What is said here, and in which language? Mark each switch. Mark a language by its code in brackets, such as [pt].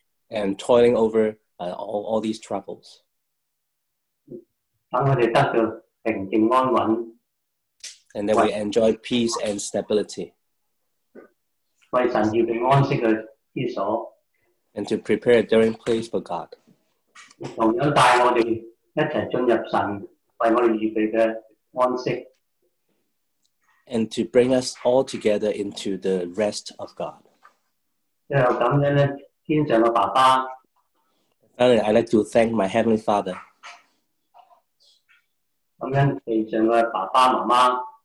[en] and toiling over all these troubles. [zh] 让我们得到平静安稳 [en] and that we enjoy peace and stability. [zh] 为神预备安息的居所 [en] and to prepare a dwelling place for God. [zh] 同样带我们一起进入神为我们预备的安息 [en] and to bring us all together into the rest of God. [zh] 天上的爸爸 [en] I'd like to thank my Heavenly Father. [zh] 地上的爸爸妈妈